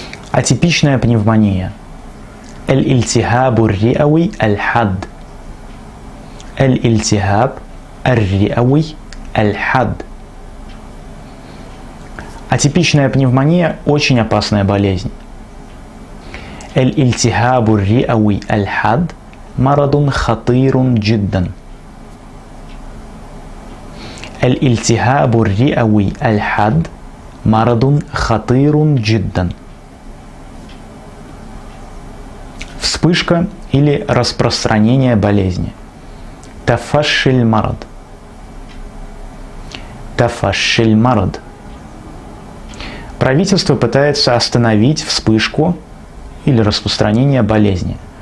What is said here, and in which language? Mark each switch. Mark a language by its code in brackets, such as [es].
[ru] Атипичная пневмония. [ar] الالتهاب الرئوي الحاد. الالتهاب الرئوي الحاد. [ru] Атипичная пневмония – очень опасная болезнь. [ar] الالتهاب الرئوي الحاد مرض خطير جدا. الالتهاب الرئوي الحاد مرض خطير جدا. [ru] Вспышка или распространение болезни. [ar] Тафашиль марад. Тафашиль марад. [ru] Правительство пытается остановить вспышку или распространение болезни.